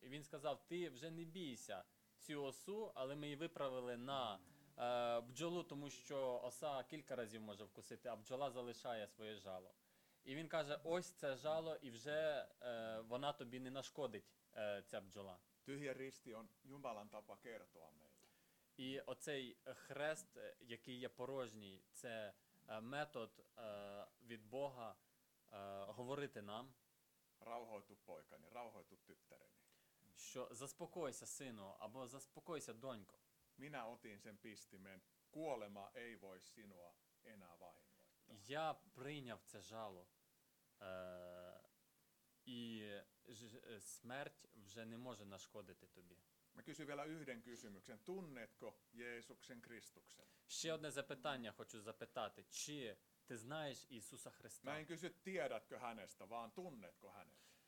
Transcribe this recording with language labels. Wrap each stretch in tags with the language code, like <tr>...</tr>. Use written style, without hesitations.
<uk>І він сказав, ти вже не бійся цю осу, але ми її виправили на бджолу, тому що оса кілька разів може вкусити, а бджола залишає своє жало. І він каже, ось це жало, і вже вона тобі не нашкодить, ця бджола.</uk> <fi>Тихий ристі он Jumalan tapa kertoa meille.</fi> <uk>І оцей хрест, який є порожній, це метод від Бога говорити нам.</uk> <fi>Rauhoitu poikani, rauhoitu tyttäreni.</fi> <uk>Що заспокойся, сину, або заспокойся, донько.</uk> <fi>Minä otin sen pistimen. Kuolema ei voi sinua enää vahingoittaa.</fi> <uk>Я прийняв це жало. І смерть вже не може нашкодити тобі.</uk> <fi>Mä kysyn vielä yhden kysymyksen. Tunnetko Jeesuksen Kristuksen?</fi> <uk>Ще одне запитання хочу запитати. Чи ти знаєш Ісуса Христа?</uk> <fi>Mä en kysy, tiedätkö hänestä, vaan tunnetko hänet?</fi>